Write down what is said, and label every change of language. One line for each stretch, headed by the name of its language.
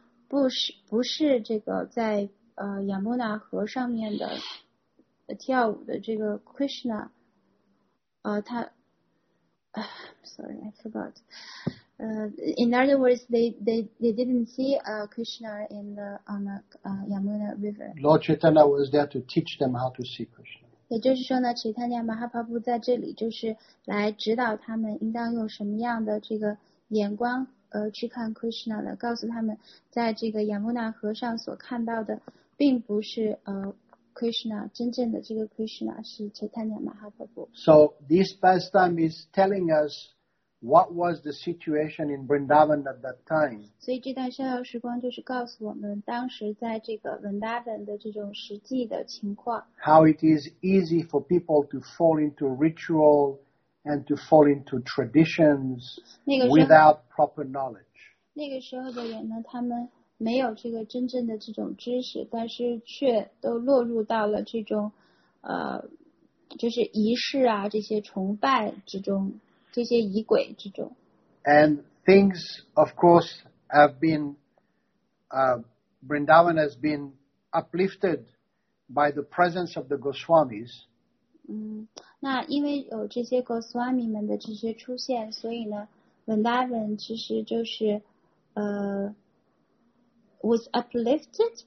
Chinese: 不是这个在Yamuna河上面的跳舞的这个 Krishna,
English: in other words, they didn't see Krishna in the on the Yamuna River. Lord Chaitanya was there to teach them how to see Krishna.
Chinese: 也就是说呢，齐檀尼亚马哈帕布在这里就是来指导他们应当用什么样的这个眼光。去看 Krishna 的，告诉他们，在这个亚穆纳河上所看到的，并不是Krishna 真正的这个 Krishna 是 Chaitanya Mahaprabhu。
English: So this pastime is telling us what was the situation in Vrindavan at that time。
Chinese: 所以这段逍遥时光就是告诉我们当时在这个 Vrindavan 的这种实际的情况。
English: How it is easy for people to fall into ritual。 And to fall into traditions without proper knowledge.
Chinese: 那个时候的人呢，他们没有这个真正的这种知识，但是却都落入到了这种，就是仪式啊，这些崇拜之中，这些仪轨之中。
English: And things, of course, have been, Vrindavan has been uplifted by the presence of the Goswamis.
Chinese: 那因为有这些 Goswami 们的这些出现，所以呢 Vrindavan 其实就是
English: was uplifted.